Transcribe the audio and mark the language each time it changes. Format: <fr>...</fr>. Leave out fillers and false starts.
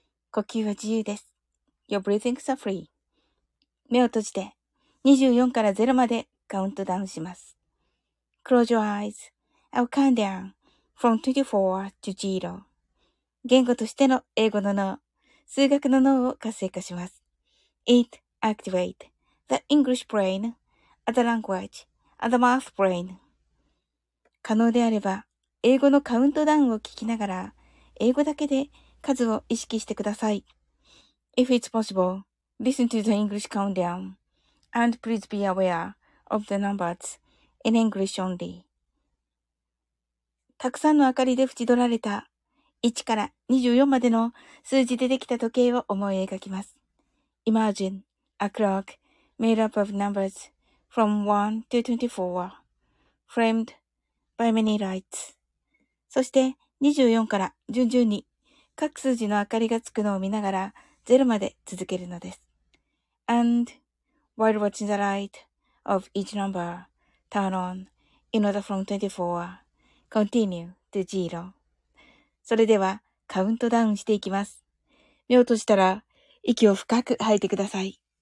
<ja>呼吸は自由です。</ja> <en>Your breathings are free.</en> <ja>目を閉じて24から0までカウントダウンします。</ja> <en>Close your eyes. I'll count down from 24 to 0.</en> <ja>言語としての英語の脳、数学の脳を活性化します。</ja> <en>It activates the English brain as a language. The math brain.</en> <ja>可能であれば、英語のカウントダウンを聞きながら、英語だけで数を意識してください。</ja> <en>If it's possible, listen to the English countdown. And please be aware of the numbers in English only.</en> <ja>たくさんの明かりで縁取られた1から24までの数字でできた時計を思い描きます。</ja> <en>Imagine a clock made up of numbers. From 1 to 24, framed by many lights.</en> <ja>そして24から順々に各数字の明かりがつくのを見ながら0まで続けるのです。</ja> <en>And while watching the light of each number turn on in order from 24, continue to 0.</en> <ja>それではカウントダウンしていきます。目を閉じたら息を深く吐いてください。</ja>